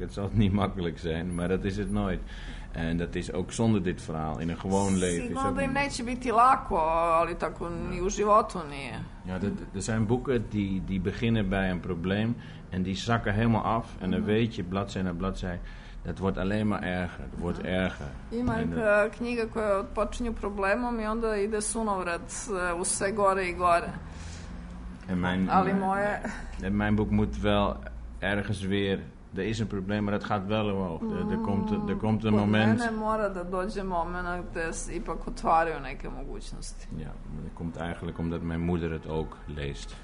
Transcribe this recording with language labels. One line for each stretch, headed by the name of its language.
Dutch: Het zal niet makkelijk zijn, maar dat is het nooit. En dat is ook zonder dit verhaal in een gewoon leven.
Serbian: Sigurno da im neće biti lako, ali tako ni u životu nije.
Dutch: Ja, er zijn boeken die beginnen bij een probleem en die zakken helemaal af. En dan weet je, bladzij na bladzij, dat wordt alleen maar erger, het wordt erger.
Serbian: Ima knjiga koja počinju problemom i onda ide sunovrat u sve gore i gore. Ali moje...
Dutch: Mijn boek moet wel ergens weer... Er is een probleem, maar het gaat wel omhoog. Er komt een moment...
Serbian: Mene mora da dođe moment gde se ipak otvaraju neke mogućnosti.
Dutch: Ja, maar dat komt eigenlijk omdat mijn moeder het ook leest.